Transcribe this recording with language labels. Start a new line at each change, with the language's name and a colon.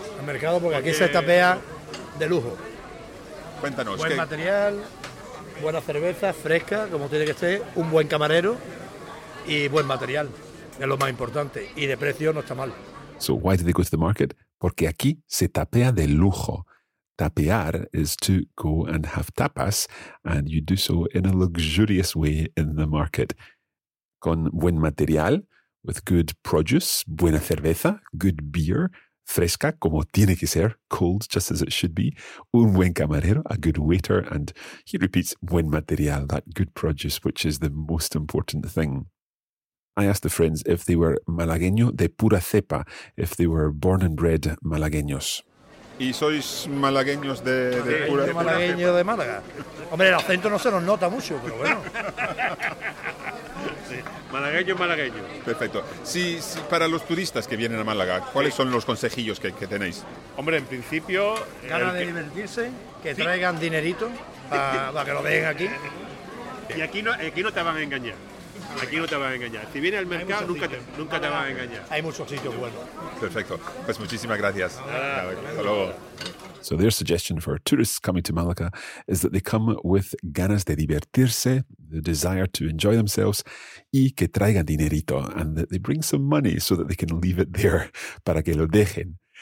Spanish: Al mercado porque aquí se tapea de lujo. Cuéntanos. Buen material, buena cerveza, fresca, como tiene que ser, un buen camarero. Y buen material, es lo más importante. Y de precio no está mal.
English: So why do they go to the market?
Spanish: Porque aquí se tapea de lujo.
English: Tapear is to go and have tapas, and you do so in a luxurious way in the market.
Spanish: Con buen material,
English: with good produce,
Spanish: buena cerveza,
English: good beer,
Spanish: fresca, como tiene que ser,
English: cold, just as it should be,
Spanish: un buen camarero,
English: a good waiter, and he repeats,
Spanish: buen material,
English: that good produce, which is the most important thing. I asked the friends if they were
Spanish: malagueño de pura cepa,
English: if they were born and bred malagueños.
Spanish: ¿Y sois malagueños de pura cepa? Malagueño de Málaga. Hombre, el acento no se nos nota mucho, pero bueno. Malagueño, malagueño. Perfecto. Sí, para los turistas que vienen a Málaga, ¿cuáles son los consejillos que tenéis? Hombre, en principio, ganas de divertirse, que sí. Traigan dinerito para que lo dejen aquí. Y aquí no te van a engañar. Aquí no te van a engañar. Si vienes al mercado, nunca te van a engañar. Hay muchos sitios buenos. Perfecto. Pues muchísimas gracias. Hasta luego.
English: So their suggestion for tourists coming to Malaga is that they come with
Spanish: ganas de divertirse,
English: the desire to enjoy themselves,
Spanish: y que traigan dinerito,
English: and that they bring some money so that they can leave it there,
Spanish: para que lo dejen.